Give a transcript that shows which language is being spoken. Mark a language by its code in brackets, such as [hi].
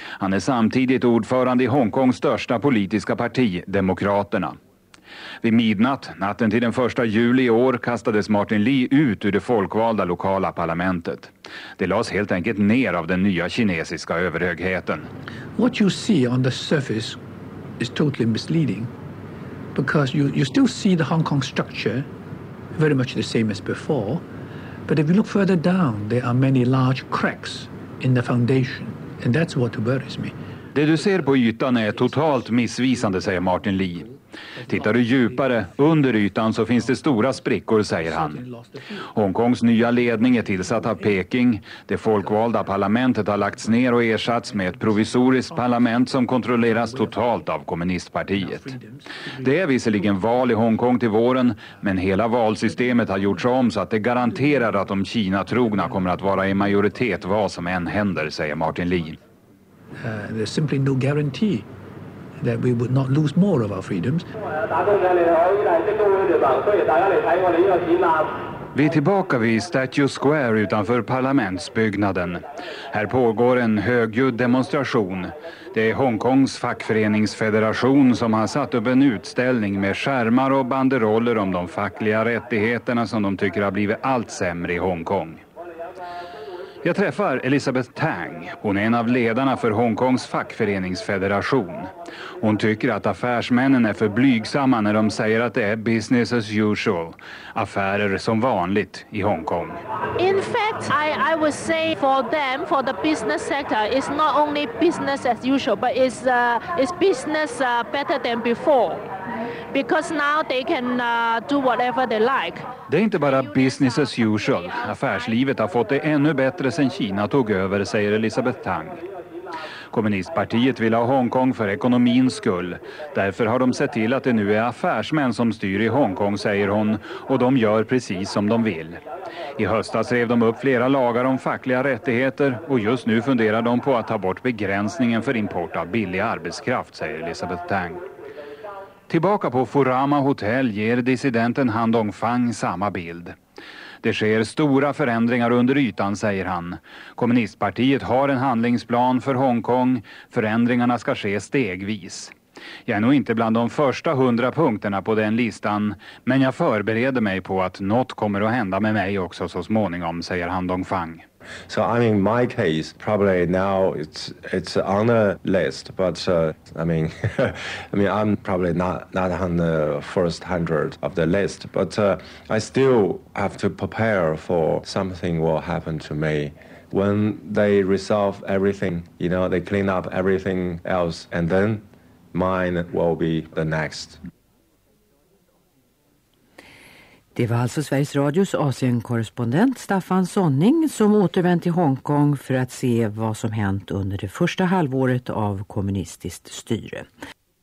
[sv] Han är samtidigt ordförande i Hongkongs största politiska parti, Demokraterna. Vid midnatt, natten till den 1 juli i år, kastades Martin Lee ut ur det folkvalda lokala parlamentet. Det lades helt enkelt ner av den nya kinesiska överhögheten. [en] What you see on the surface is totally misleading, because you still see the Hong Kong structure very much the same as before, but if you look further down there are many large cracks in the foundation, and that's what worries me. [sv] Det du ser på ytan är totalt missvisande, säger Martin Lee. Tittar du djupare under ytan så finns det stora sprickor, säger han. Hongkongs nya ledning är tillsatt av Peking. Det folkvalda parlamentet har lagts ner och ersatts med ett provisoriskt parlament som kontrolleras totalt av kommunistpartiet. Det är visserligen val i Hongkong till våren, men hela valsystemet har gjorts om så att det garanterar att de Kina-trogna kommer att vara i majoritet vad som än händer, säger Martin Lee. [en] There's simply no guarantee that we would not lose more of our freedoms. [sv] Vi är tillbaka vid Statue Square utanför parlamentsbyggnaden. Här pågår en högljudd demonstration. Det är Hongkongs fackföreningsfederation som har satt upp en utställning med skärmar och banderoller om de fackliga rättigheterna som de tycker har blivit allt sämre i Hongkong. Jag träffar Elizabeth Tang. Hon är en av ledarna för Hongkongs fackföreningsfederation. Hon tycker att affärsmännen är för blygsamma när de säger att det är [en] business as usual, [sv] affärer som vanligt i Hongkong. [en] In fact, I would say for them, for the business sector, it's not only business as usual, but it's business better than before. Because now they can do whatever they like. [sv] Det är inte bara [en] business as usual. [sv] Affärslivet har fått det ännu bättre sedan Kina tog över, säger Elizabeth Tang. Kommunistpartiet vill ha Hongkong för ekonomins skull. Därför har de sett till att det nu är affärsmän som styr i Hongkong, säger hon, och de gör precis som de vill. I höstas rev de upp flera lagar om fackliga rättigheter, och just nu funderar de på att ta bort begränsningen för import av billig arbetskraft, säger Elizabeth Tang. Tillbaka på Furama Hotel ger dissidenten Han Dongfang samma bild. Det sker stora förändringar under ytan, säger han. Kommunistpartiet har en handlingsplan för Hongkong. Förändringarna ska ske stegvis. Jag är nog inte bland de första 100 punkterna på den listan, men jag förbereder mig på att något kommer att hända med mig också så småningom, säger Han Dongfang. [en] So I mean my case probably now it's on the list, but I mean I'm probably not on the first 100 of the list, but I still have to prepare for something will happen to me. When they resolve everything, you know, they clean up everything else, and then mine will be the next. [sv] Det var alltså Sveriges Radios Asienkorrespondent Staffan Sonning som återvänt till Hongkong för att se vad som hänt under det första halvåret av kommunistiskt styre.